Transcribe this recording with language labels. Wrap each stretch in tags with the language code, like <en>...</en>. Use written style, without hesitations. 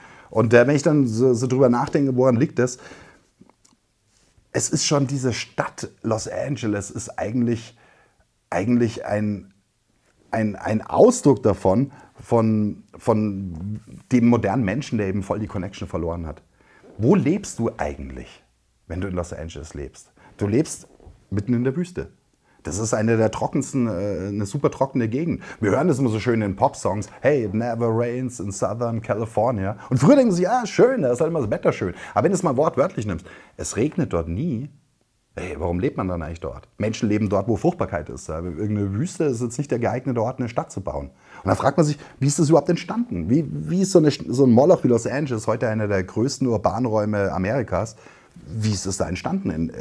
<de>Und wenn ich dann so drüber nachdenke, woran liegt das? Es ist schon diese Stadt Los Angeles ist eigentlich ein Ausdruck davon, von dem modernen Menschen, der eben voll die Connection verloren hat. Wo lebst du eigentlich, wenn du in Los Angeles lebst? Du lebst mitten in der Wüste. Das ist eine der trockensten, eine super trockene Gegend. Wir hören das immer so schön in Popsongs.</de> <en>Hey, it never rains in Southern California.</en> <de>Und früher denken sie, ja, schön, da ist halt immer das Wetter schön. Aber wenn du es mal wortwörtlich nimmst, es regnet dort nie. Hey, warum lebt man dann eigentlich dort? Menschen leben dort, wo Fruchtbarkeit ist. Irgendeine Wüste ist jetzt nicht der geeignete Ort, eine Stadt zu bauen. Und dann fragt man sich, wie ist das überhaupt entstanden? Wie ist so ein Moloch wie Los Angeles, heute einer der größten Urbanräume Amerikas, wie ist es da entstanden?</de>